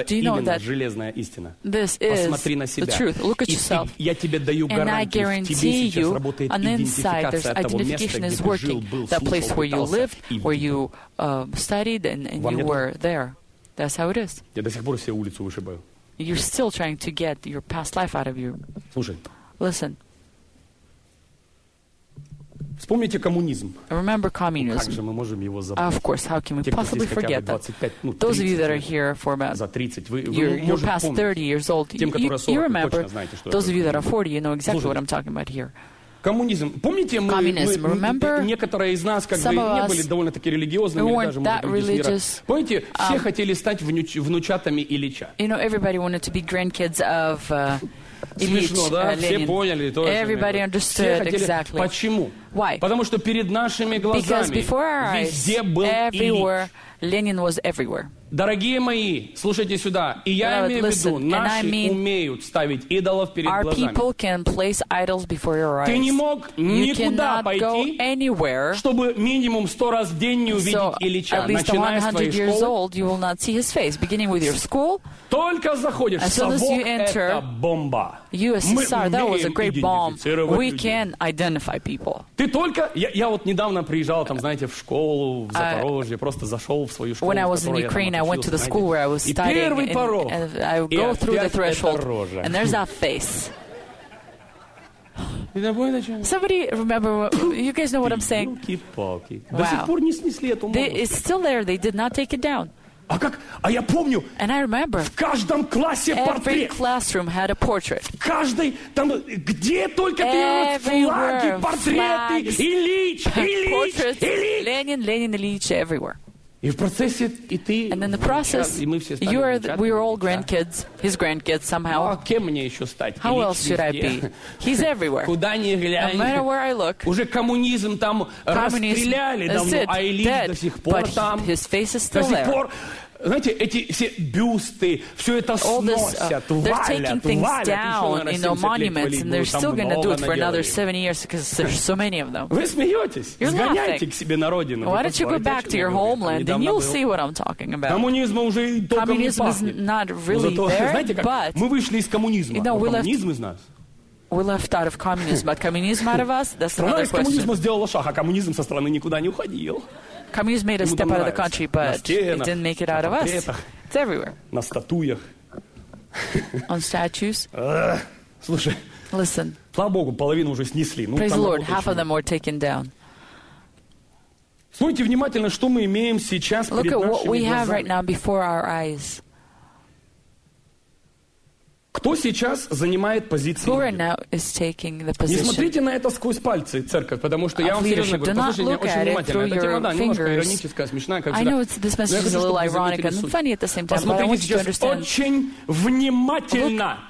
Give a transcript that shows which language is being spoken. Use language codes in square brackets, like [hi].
[ru] это именно железная истина? Посмотри на себя. Я тебе даю гарантию, в тебе сейчас работает идентификация того места, где ты жил, был, слушал, пытался и видел. [en] That's how it is. [ru] Я до сих пор себе улицу вышибаю. [en] You're still trying to get your past life out of you. [ru] Слушай. [en] Listen. [ru] Вспомните коммунизм. [en] Remember communism. [ru] Как же мы можем его забыть? [en] Of course, how can we possibly forget that? [ru] 25, ну, [en] those of you that are here for about [ru] за 30, вы [en] you're past 30 years old. [ru] Тем, которые 40, точно знаете, что [en] those of you that are 40, you know exactly what I'm talking about here. [ru] Коммунизм. Помните, мы некоторые из нас, как бы, не были довольно-таки религиозными, или даже, может быть, из мира. Помните, все хотели стать внучатами Ильича. [en] You know, everybody wanted to be grandkids of [ru] Смешно, да? Все поняли, то [en] Everybody understood [ru] все хотели, [en] exactly. [ru] Почему? [en] Why? [ru] Потому что перед нашими глазами везде был [en] Ильич. Ленин was everywhere. [ru] Дорогие мои, слушайте сюда. И я имею в виду, наши [en] I mean, [ru] умеют ставить идолов перед [en] our [ru] глазами. [en] People can place idols before your eyes. [ru] Ты не мог никуда пойти, [en] anywhere, [ru] чтобы минимум 100 раз в день не увидеть [en] so, [ru] Ильича, начиная с твоей школы. [en] School, [ru] только заходишь, совок — это бомба. [en] USSR, [ru] мы умеем идентифицировать. Ты только... Я вот недавно приезжал, там, знаете, в школу в Запорожье, просто зашел в свою школу, в которой я там [en] Ukraine, I went to the school where I was studying, and I would go through the threshold, and there's that face. Somebody remember, you guys know what I'm saying? Wow. It's still there, they did not take it down. [ru] А как? А я помню. [en] And I remember. [ru] В каждом классе портрет. [en] Every classroom had a portrait. [ru] В каждой там где только ты флаги, портреты, Ильич, Ильич, Ильич. [en] Ленин, Ленин, Ильич everywhere. [ru] И в процессе и ты, [en] and in the process, [ru] и мы все стали [en] we are all grandkids, his grandkids somehow. [ru] А кем мне еще стать? [en] How else should I be? He's everywhere. [ru] Куда ни глянь. [en] No matter where I look. [ru] Уже коммунизм там расстреляли давно, а Ильич до сих пор там. [en] His face is still there. [ru] До сих пор. Знаете, эти все бюсты, все это сносят, валят, валят. [en] Monuments, and they're still going to do it for another 7 years because there's so many of them. [ru] Вы смеетесь? Сгоняйте к себе на родину. [en] Why don't you go back to your homeland and you'll see what I'm talking about? [ru] Коммунизм уже только не пахнет. [en] Communism is not really there, but [ru] мы вышли из коммунизма. Но коммунизм из нас. [en] We left out of communism, but communism out of us. That's another question. [ru] Страна из коммунизма сделала шаг, а коммунизм со страны никуда не уходил. [en] Communism made a step out of the country, but [ru] стенах, [en] it didn't make it out of us. It's everywhere. [ru] На статуях. [en] On statues. [ru] Слушай. [en] Listen. [ru] Слава Богу, половину уже снесли. [en] Praise the Lord, half of them were taken down. [ru] Смотрите внимательно, что мы имеем сейчас перед нашими глазами. [en] Look at what we have right now before our eyes. [ru] Кто сейчас занимает позицию? [en] Who right now is taking the position? [ru] Не смотрите на это сквозь пальцы, церковь, потому что я вам серьезно говорю, послушайте меня очень внимательно. Это тема, да, немножко ироническая, смешная, как всегда. Но я хочу, чтобы вы заметили суть. Посмотрите сейчас очень внимательно.